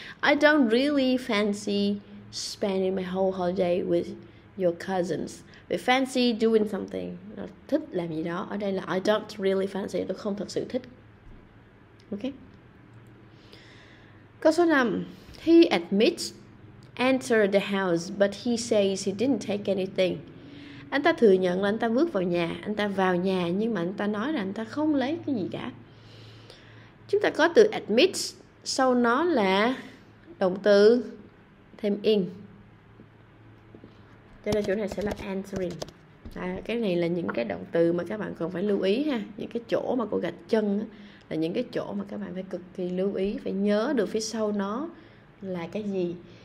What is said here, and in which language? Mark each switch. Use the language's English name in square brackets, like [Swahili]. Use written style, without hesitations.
[English] I don't really fancy spending my whole holiday with your cousins. Fancy doing something, [Vietnamese] nó thích làm gì đó. Ở đây là [English] I don't really fancy, [Vietnamese] tôi không thật sự thích. Ok. Câu số 5. [English] He admits entered the house, but he says he didn't take anything. [Vietnamese] Anh ta thừa nhận là anh ta bước vào nhà, anh ta vào nhà nhưng mà anh ta nói là anh ta không lấy cái gì cả. Chúng ta có từ admit sau nó là động từ thêm in. Cho nên chỗ này sẽ là entering. À, cái này là những cái động từ mà các bạn cần phải lưu ý ha, những cái chỗ mà cô gạch chân á, là những cái chỗ mà các bạn phải cực kỳ lưu ý, phải nhớ được phía sau nó là cái gì.